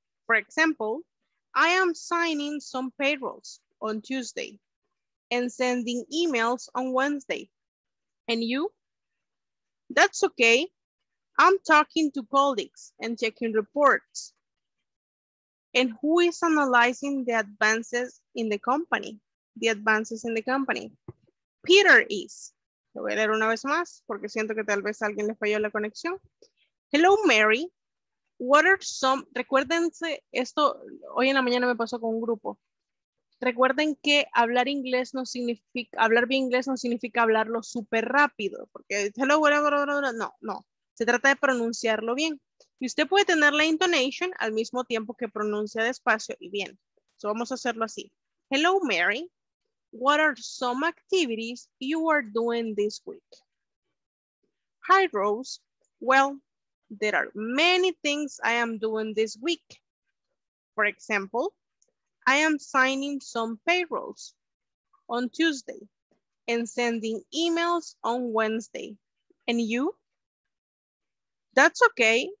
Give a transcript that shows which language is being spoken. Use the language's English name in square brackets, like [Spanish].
[English] For example, I am signing some payrolls on Tuesday and sending emails on Wednesday. And you? That's okay. I'm talking to colleagues and checking reports. And who is analyzing the advances in the company? The advances in the company. Peter is. [Spanish] Lo voy a leer una vez más porque siento que tal vez alguien le falló la conexión. [English] Hello, Mary. What are some, [Spanish] recuérdense, esto hoy en la mañana me pasó con un grupo. Recuerden que hablar inglés no significa, hablar bien inglés no significa hablarlo súper rápido. Porque, hello, bla, bla, bla, bla. No, no. Se trata de pronunciarlo bien. Y usted puede tener la intonation al mismo tiempo que pronuncia despacio y bien. So vamos a hacerlo así. [English] Hello, Mary. What are some activities you are doing this week? Hi, Rose. Well, there are many things I am doing this week. For example, I am signing some payrolls on Tuesday and sending emails on Wednesday. And you? That's okay.